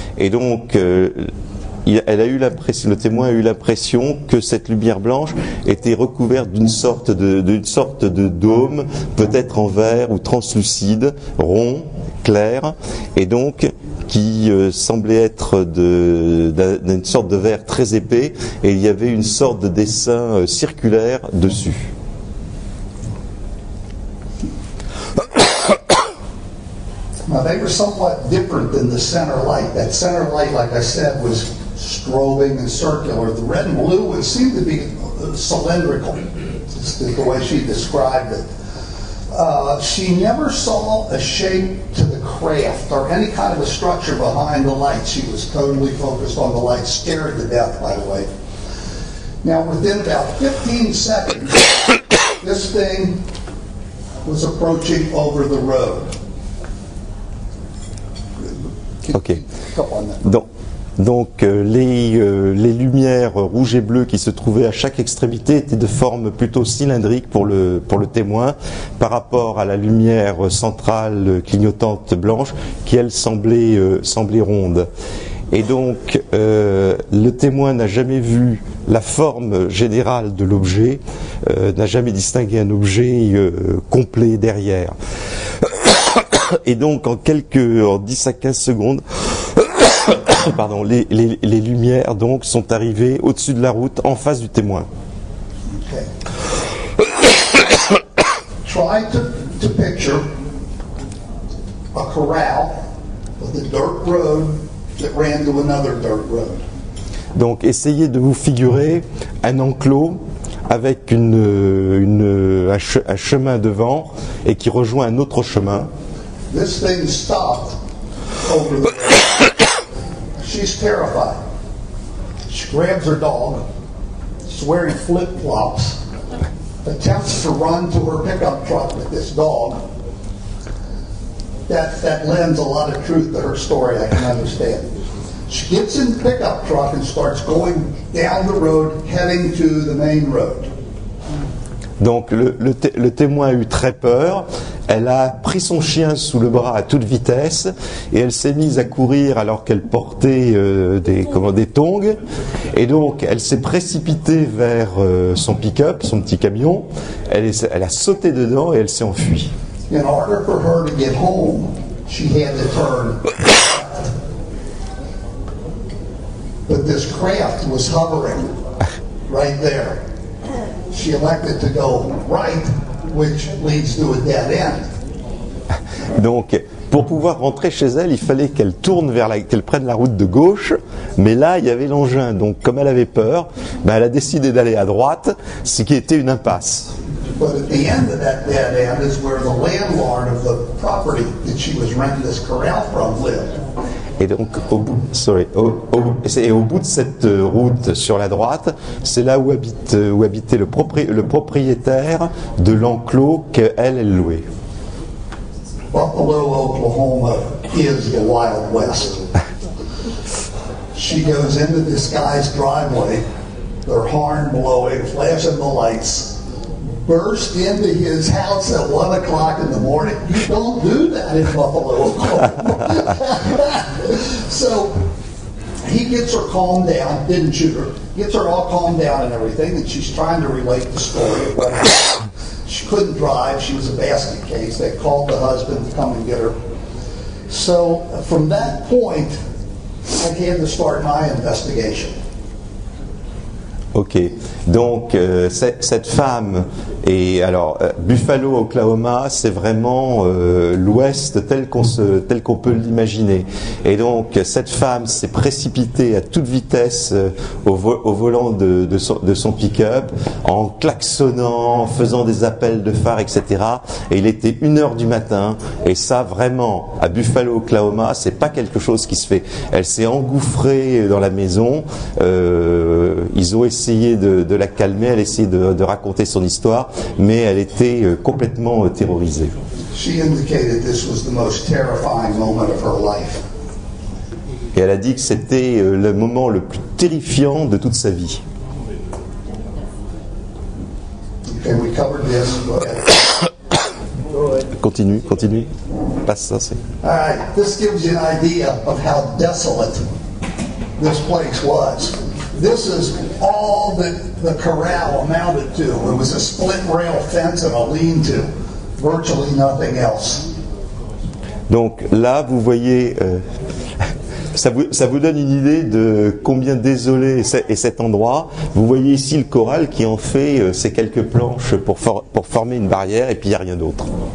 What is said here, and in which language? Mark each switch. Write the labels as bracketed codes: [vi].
[fr] Et donc, le témoin a eu l'impression que cette lumière blanche était recouverte d'une sorte de dôme, peut-être en verre ou translucide, rond, clair. Et donc, qui semblait être d'une sorte de verre très épais, et il y avait une sorte de dessin circulaire dessus. [en] Now they were somewhat different than the center light. That center light, like I said, was strobing and circular. The red and blue would seem to be cylindrical, just the way she described it. She never saw a shape to the craft or any kind of a structure behind the light. She was totally focused on the light, scared to death, by the way. Now, within about 15 seconds, this thing was approaching over the road. Okay. Come on then. [fr] Donc les lumières rouges et bleues qui se trouvaient à chaque extrémité étaient de forme plutôt cylindrique pour le témoin par rapport à la lumière centrale clignotante blanche qui elle semblait ronde. Et donc le témoin n'a jamais vu la forme générale de l'objet, n'a jamais distingué un objet complet derrière. Et donc en 10 à 15 secondes, pardon, les lumières donc sont arrivées au-dessus de la route en face du témoin. [en] Okay. Try to picture a corral with a dirt road that ran to another dirt road. [fr] Donc essayez de vous figurer un enclos avec un chemin devant et qui rejoint un autre chemin. [en] This thing stopped over the She's terrified. She grabs her dog. She's wearing flip-flops. Attempts to run to her pickup truck with this dog. That lends a lot of truth to her story, I can understand. She gets in the pickup truck and starts going down the road, heading to the main road. [fr] Donc le témoin a eu très peur. Elle a pris son chien sous le bras à toute vitesse et elle s'est mise à courir alors qu'elle portait des tongs. Et donc elle s'est précipitée vers son pick-up, son petit camion. Elle a sauté dedans et elle s'est enfuie. [en] In order for her to get home, she had to turn. But this craft was hovering right there. She elected to go right, which leads to a dead end. [fr] Donc, pour pouvoir rentrer chez elle, il fallait qu'elle tourne vers la, qu'elle prenne la route de gauche. Mais là, il y avait l'engin. Donc, comme elle avait peur, ben, elle a décidé d'aller à droite, ce qui était une impasse. [en] But at the end of that dead end is where the landlord of the property that she was renting this corral from lived. [fr] Et donc, au bout de cette route sur la droite, c'est là où habitait le propriétaire de l'enclos qu'elle louait. [en] Buffalo, Oklahoma is the Wild West. She goes into this guy's driveway, their horn blowing, flashing the lights, burst into his house at 1 o'clock in the morning. You don't do that in Buffalo, Oklahoma. So he gets her calmed down, didn't shoot her, gets her all calmed down and everything, and she's trying to relate the story. She couldn't drive, she was a basket case, they called the husband to come and get her. So from that point, I began to start my investigation. [fr] Ok, donc cette femme, et alors Buffalo, Oklahoma, c'est vraiment l'Ouest tel qu'on peut l'imaginer. Et donc cette femme s'est précipitée à toute vitesse au volant de son pick-up, en klaxonnant, en faisant des appels de phare, etc. Et il était 1h du matin, et ça vraiment, à Buffalo, Oklahoma, c'est pas quelque chose qui se fait. Elle s'est engouffrée dans la maison, ils ont essayé de la calmer, elle essayait de raconter son histoire, mais elle était complètement terrorisée. [en] She indicated this was the most terrifying moment of her life. [fr] Et elle a dit que c'était le moment le plus terrifiant de toute sa vie. [en] Okay, we covered this, continue. [fr] Passe ça, c'est. [en] All right, this gives you an idea of how desolate this place was. This is all that the corral amounted to. It was a split rail fence and a lean-to. Virtually nothing else. [fr] Donc là, vous voyez, ça vous donne une idée de combien désolé est cet endroit. Vous voyez ici le corral qui en fait ces quelques planches pour former une barrière, et puis il n'y a rien d'autre.